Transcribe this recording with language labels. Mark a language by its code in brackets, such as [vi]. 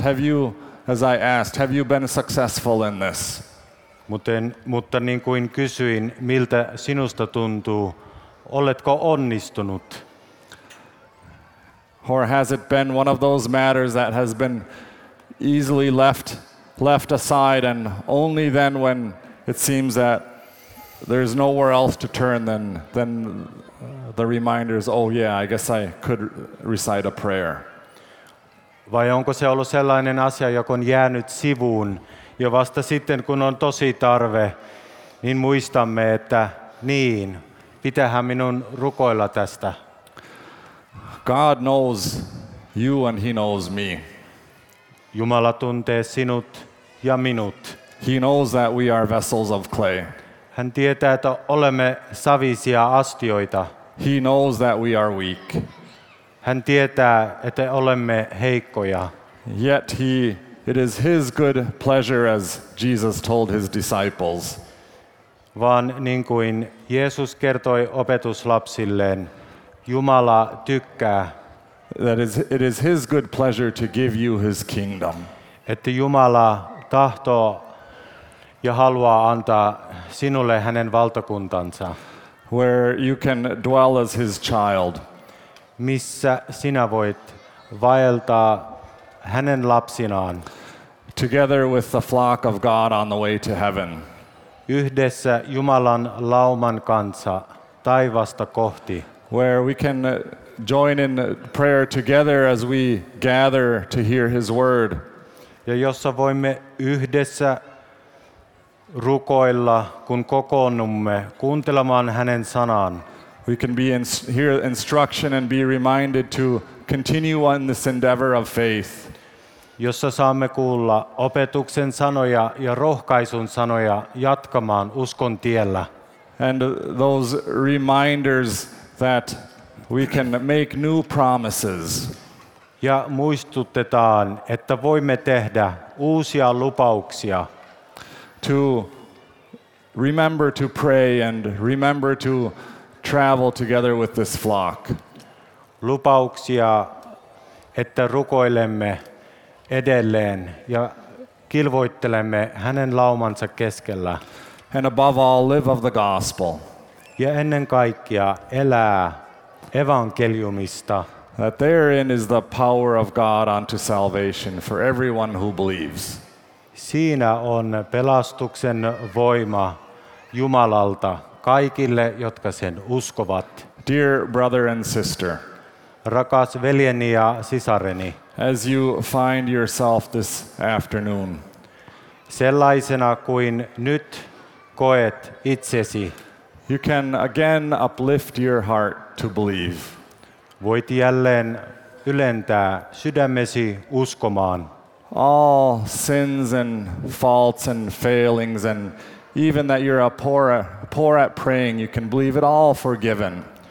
[en] Have you, as I asked, have you been successful in this? [fi] Mutta niin kuin kysyin, miltä sinusta tuntuu, oletko onnistunut? [en] Or has it been one of those matters that has been easily left aside, and only then when it seems that there's nowhere else to turn than the reminders, oh yeah, I guess I could recite a prayer. [fi] Vai onko se ollut sellainen asia, joka on jäänyt sivuun, ja vasta sitten, kun on tosi tarve, niin muistamme, että niin, pitäähän minun rukoilla tästä. [en] God knows you and he knows me. [fi] Jumala tuntee sinut ja minut. [en] He knows that we are vessels of clay. [fi] Hän tietää, että olemme savisia astioita. [en] He knows that we are weak. [fi] Hän tietää, että olemme heikkoja. [en] Yet it is his good pleasure, as Jesus told his disciples. [fi] Vaan niin kuin Jeesus kertoi opetuslapsilleen, Jumala tykkää. [en] That is, it is his good pleasure to give you his kingdom. [fi] Että Jumala tahtoo ja haluaa antaa sinulle hänen valtakuntansa. [en] Where you can dwell as his child. [fi] Missä sinä voit vaeltaa hänen lapsinaan. [en] Together with the flock of God on the way to heaven. [fi] Yhdessä Jumalan lauman kanssa taivasta kohti. [en] Where we can join in prayer together as we gather to hear his word. [fi] Ja jossa voimme yhdessä rukoilla, kun kokoonnumme kuuntelemaan hänen sanaan. [en] We can be hear instruction and be reminded to continue on this endeavor of faith. [fi] Jossa saamme kuulla opetuksen sanoja ja rohkaisun sanoja jatkamaan uskon tiellä. [en] And those reminders that we can make new promises. [fi] Ja muistutetaan, että voimme tehdä uusia lupauksia. [en] To remember to pray and remember to travel together with this flock. [fi] Lupauksia, että rukoilemme edelleen ja kilvoittelemme hänen laumansa keskellä. [en] And above all, live of the gospel. [fi] Ja ennen kaikkea elää evankeliumista. [en] That therein is the power of God unto salvation for everyone who believes. [fi] Siinä on pelastuksen voima Jumalalta kaikille, jotka sen uskovat. [en] Dear brother and sister, [fi] rakas veljeni ja sisareni, [en] as you find yourself this afternoon, [fi] sellaisena kuin nyt koet itsesi, [en] you can again uplift your heart to believe. [fi] Voit jälleen ylentää sydämesi uskomaan. [en] All sins and faults and failings, and even that you're poor at praying, you can believe it all forgiven.